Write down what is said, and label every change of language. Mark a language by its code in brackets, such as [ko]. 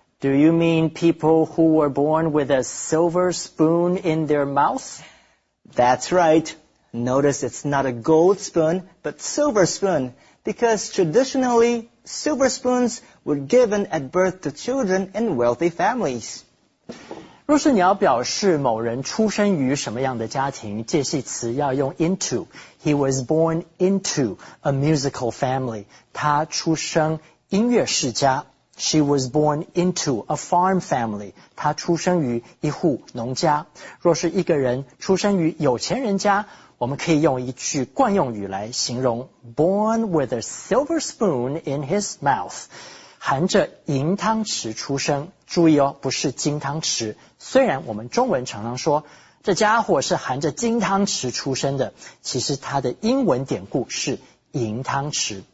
[en] Do you mean people who were born with a silver spoon in their mouth? That's right. Notice it's not a gold spoon, but silver spoon. Because traditionally, silver spoons were given at birth to children in wealthy families. [zh] 若是你要表示某人出生于什么样的家庭，介系词要用 into。 [en] He was born into a musical family. [zh] 他出生音乐世家。 [en] She was born into a farm family. [zh] 她出生于一户农家。若是一个人出生于有钱人家，我们可以用一句惯用语来形容 [en] born with a silver spoon in his mouth. [zh] 含着银汤匙出生，注意哦，不是金汤匙。虽然我们中文常常说这家伙是含着金汤匙出生的，其实他的英文典故是银汤匙。